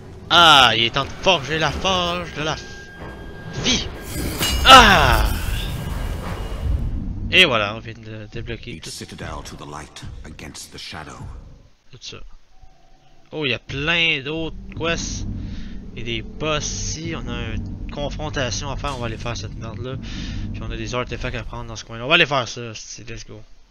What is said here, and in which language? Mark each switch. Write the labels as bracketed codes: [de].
[fr] Ah, il est temps de forger la forge de la vie. Ah. Et voilà, on vient de débloquer. [en] Each citadel to the light against the shadow. [fr] Tout ça. Oh, il y a plein d'autres quests et des boss ici. On a une confrontation à faire. On va aller faire cette merde là. Puis on a des artefacts à prendre dans ce coin. On va aller faire ça. C'est let's go.